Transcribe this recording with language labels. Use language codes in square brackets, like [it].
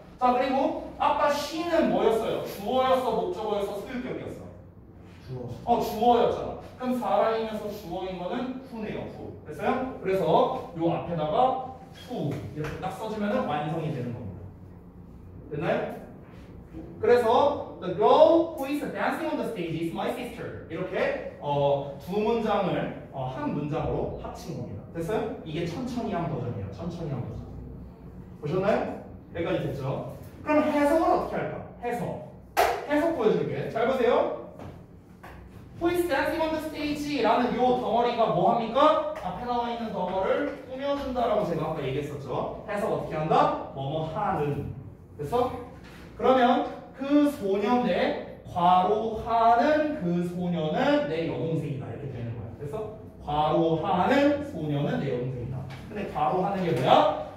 [ko] 자, 그리고 아까 she는 뭐였어요? 주어였어, 목적어였어, 소유격이었어? 주어. 어, 주어였잖아. 그럼 사람이면서 주어인 거는 who네요, who. 됐어요? 그래서 요 앞에다가 who 이렇게 딱 써주면은 완성이 되는 겁니다. 됐나요? 그래서 [en] the girl who is dancing on the stage is my sister. [ko] 이렇게 두 문장을 한 문장으로 합친 겁니다. 됐어요? 이게 천천히 한 버전이에요. 천천히 한 버전. 보셨나요? 여기까지 됐죠? 그럼 해석은 어떻게 할까? 해석. 해석 보여줄게. 잘 보세요. [en] Who is dancing on the stage? [ko] 라는 이 덩어리가 뭐 합니까? 앞에 나와 있는 덩어리를 꾸며준다라고 제가 아까 얘기했었죠. 해석 어떻게 한다? 뭐뭐 하는. 됐어? 그러면 그 소년의 과로하는 그 소년은 내 여동생이다 이렇게 되는 거야. 됐어? 과로하는 소년은 내 여동생이다. 근데 과로하는 게 뭐야?